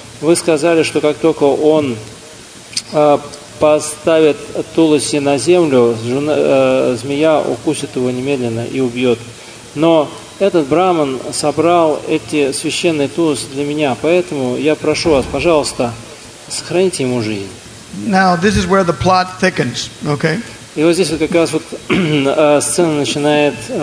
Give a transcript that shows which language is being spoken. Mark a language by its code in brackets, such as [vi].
[ru] Вы сказали, что как только он поставит Туласи на землю, змея укусит его немедленно и убьет. Но этот Брахман собрал эти священные Туласи для меня, поэтому я прошу вас, пожалуйста, сохраните ему жизнь. [en] Now, this is where the plot thickens, okay? [ru] И вот здесь вот как раз вот сцена начинает